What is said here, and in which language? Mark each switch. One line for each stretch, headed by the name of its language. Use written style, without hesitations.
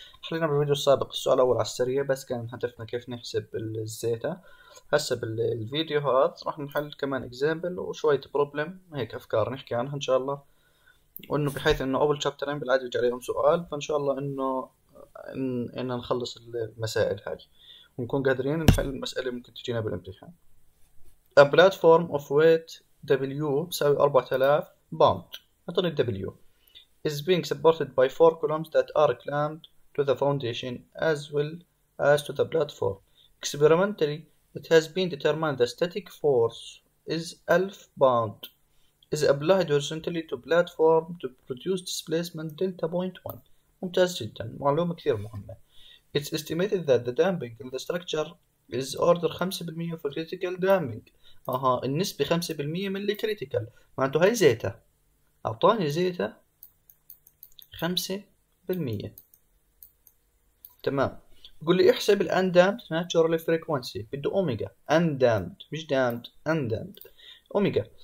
Arabic: خلينا بالفيديو السابق السؤال الأول على السريع بس كان هدفنا كيف نحسب الزيتا، هسه بالفيديو هذا راح نحل كمان اكزامبل وشوية بروبلم هيك أفكار نحكي عنها إن شاء الله، وإنه بحيث إنه أول تشابترين بالعادة يجي عليهم سؤال، فإن شاء الله إنه إن نخلص المسائل هاي ونكون قادرين نحل المسألة ممكن تجينا بالامتحان.
English: A platform of weight W
Arabic: بساوي
English: 4000 pound.
Arabic: نعطيني ال W.
English: Is being supported by four columns that are clamped to the foundation as well as to the platform. Experimentally, it has been determined the static force is 1000 pound is applied horizontally to platform to produce displacement delta 0.1.
Arabic: ممتاز جدا، معلومة كثير مهمة.
English: It's estimated that the damping in the structure is order 5% for critical damping.
Arabic: اها النسبة 5% من اللي كريتيكال، معناته هاي زيتا، اعطاني زيتا 5%. تمام، بقول لي احسب الاندامد ناتشورال فريكونسي، بده اوميجا، اندامد مش دامد، اندامد اوميجا.